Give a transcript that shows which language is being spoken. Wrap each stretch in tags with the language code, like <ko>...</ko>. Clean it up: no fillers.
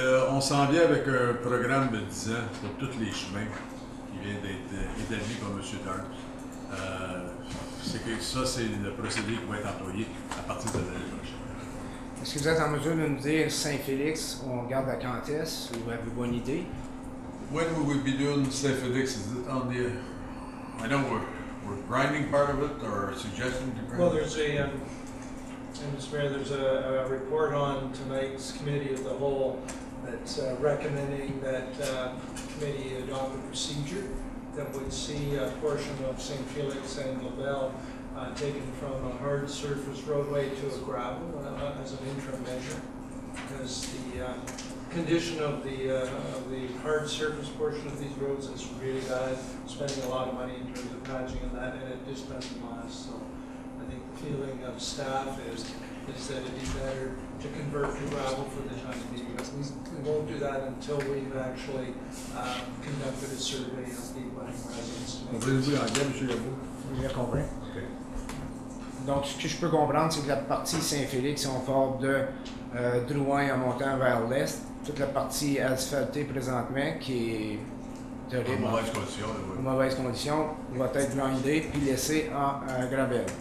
<fr>On s'en vient avec un programme de 10 ans pour tous les chemins qui vient d'être établi par M. Dern. C'est le procédé qui va être employé à partir de l'année prochaine. Est-ce que vous êtes en mesure de nous dire Saint-Félix, on garde la Cantesse, ou avez-vous bonne idée?</fr> <en>When we will be doing Saint-Félix, is it on the... I know we're grinding part of it, or suggesting to grind it? In despair, there's a report on tonight's committee of the whole that's recommending that committee adopt a procedure that would see a portion of St. Felix and LaBelle taken from a hard surface roadway to a gravel as an interim measure, because the condition of the hard surface portion of these roads is really bad, spending a lot of money in terms of patching and that, and it just doesn't last. So feeling of staff is that it'd be better to convert to gravel for the time being. We won't do that until we've actually conducted a survey of the wedding residents.</en> <fr>Donc, ce que je peux comprendre, c'est que la partie Saint-Félix, on part de Drouin en montant vers l'est. Toute la partie asphaltée présentement, qui est de mauvaise condition, oui. Mauvaise condition, va être blindée puis laissée en gravelle.</fr>